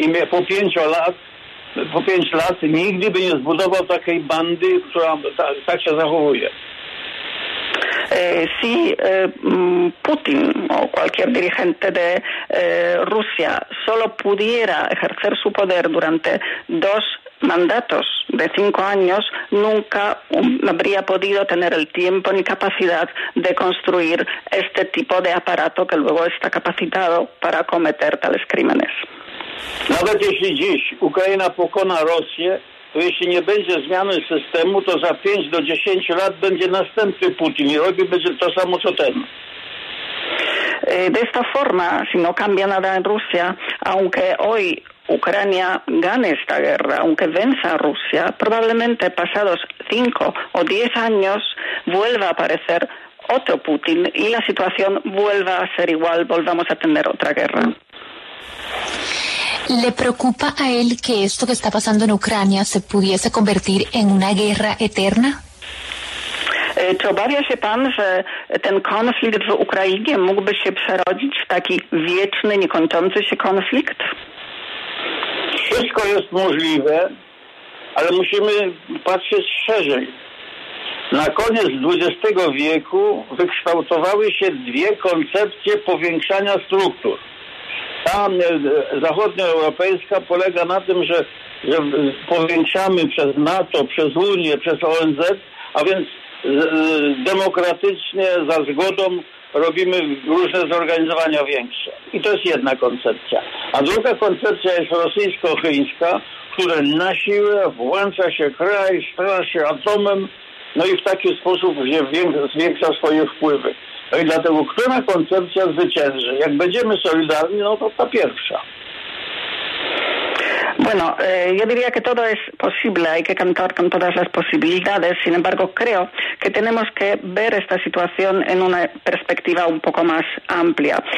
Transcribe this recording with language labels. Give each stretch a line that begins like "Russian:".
Polish: Po 5 lat nigdy by nie zbudował takiej bandy, która tak się zachowuje.
Spanish: Si Putin o cualquier dirigente de Rusia solo pudiera ejercer su poder durante 2 mandatos de 5 años, nunca habría podido tener el tiempo ni capacidad de construir este tipo de aparato que luego está capacitado para cometer tales crímenes.
Polish: Nawet jeśli dziś Ukraina pokona Rosję, to jeśli nie będzie zmiany systemu, to za 5 do 10 lat będzie następny Putin i robi będzie to samo co ten.
Spanish: De esta forma, si no cambia nada en Rusia, aunque hoy Ucrania gane esta guerra, aunque venza a Rusia, probablemente pasados 5 o 10 años vuelva a aparecer otro Putin y la situación vuelva a ser igual, volvamos a tener otra guerra. ¿Le preocupa a él que esto que está pasando en Ucrania se pudiese convertir en una guerra eterna?
Polish: Obawia się pan, że ten konflikt w Ukrainie mógłby się przerodzić w taki wieczny, niekończący się konflikt? Wszystko jest możliwe, ale musimy patrzeć szerzej. Na koniec XX wieku wykształtowały się 2 koncepcje powiększania struktur. Ta zachodnioeuropejska polega na tym, że powiększamy przez NATO, przez Unię, przez ONZ, a więc demokratycznie, za zgodą robimy różne zorganizowania większe. I to jest jedna koncepcja. A druga koncepcja jest rosyjsko-chińska, która na siłę włącza się kraj, straszy atomem, no i w taki sposób zwiększa swoje wpływy. I dlatego, która koncepcja zwycięży? Jak będziemy solidarni, no to ta pierwsza.
Spanish: Bueno, yo diría que todo es posible, hay que cantar con todas las posibilidades, sin embargo creo que tenemos que ver esta situación en una perspectiva un poco más amplia.